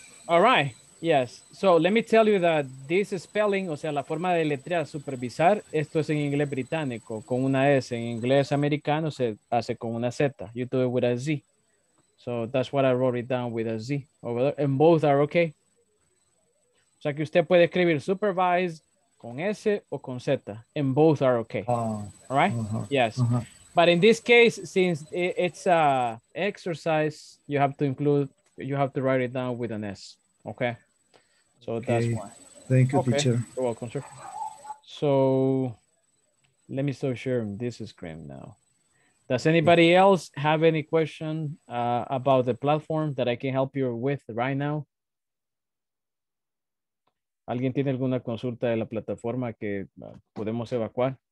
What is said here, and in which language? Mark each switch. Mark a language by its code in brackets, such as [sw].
[en] All right. Yes. So let me tell you that this spelling, [es] o sea, la forma de letrear, supervisar, esto es en inglés británico, con una S. En inglés americano se hace con una Z. [en] You do it with a Z. So that's what I wrote it down with a Z over there. And both are okay. [es] O sea que usted puede escribir supervise con S o con Z. [en] And both are okay. All right? Uh-huh. Yes. Uh-huh. But in this case, since it's a exercise, you have to include, you have to write it down with an S. Okay? So okay. That's why. Thank you, okay. Teacher. You're welcome, sir. So let me still share this screen now. Does anybody else have any question about the platform that I can help you with right now? [es] ¿Alguien tiene alguna consulta de la plataforma que podemos evacuar?